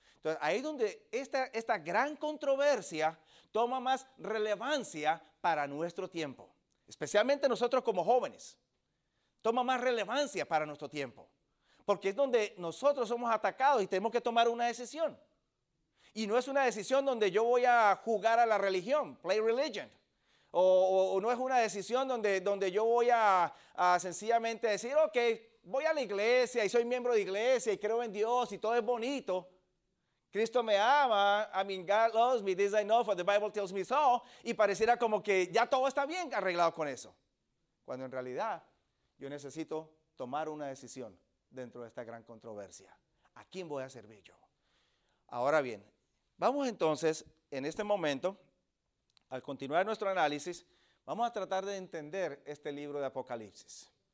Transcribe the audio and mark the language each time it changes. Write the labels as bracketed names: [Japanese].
[Spanish] Entonces, ahí es donde esta gran controversia toma más relevancia para nuestro tiempo, especialmente nosotros como jóvenes, toma más relevancia para nuestro tiempo, porque es donde nosotros somos atacados y tenemos que tomar una decisión. Y no es una decisión donde yo voy a jugar a la religión, [English] play religion. [Spanish] O no es una decisión donde yo voy a sencillamente decir, ok, voy a la iglesia y soy miembro de iglesia y creo en Dios y todo es bonito. Cristo me ama, [English] I mean, God loves me, this I know, for the Bible tells me so. [Spanish] Y pareciera como que ya todo está bien arreglado con eso. Cuando en realidad yo necesito tomar una decisión dentro de esta gran controversia. ¿A quién voy a servir yo? Ahora bien, vamos entonces en este momento, al continuar nuestro análisis, vamos a tratar de entender este libro de Apocalipsis.